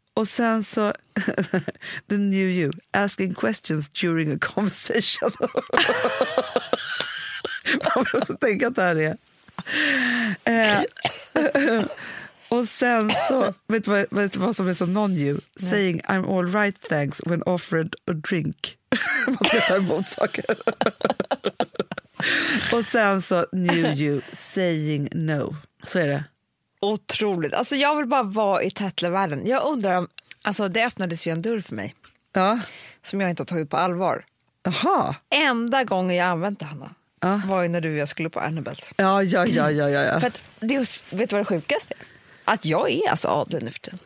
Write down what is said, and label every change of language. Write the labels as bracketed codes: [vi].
[en] Och sen så the new you, asking questions during a conversation. [sv] Man måste tänka att det här är. Och sen så, vet du vad som är så non-you? [en] Saying, I'm all right, thanks, when offered a drink. [sv] Man ska ta emot saker. [en] Och sen så, new you, saying no. [sv] Så är det. Otroligt. Alltså jag vill bara vara i Tattlevärlden. Jag undrar om, alltså det öppnades ju en dörr för mig. Ja. Som jag inte har tagit på allvar. Jaha. Enda gången jag använt det, Hanna. Ah. Var ju när du och jag skulle på Annabelle. Ja. För att, det är, vet du vad det sjukaste är? Att jag är alltså adlig nu för tiden.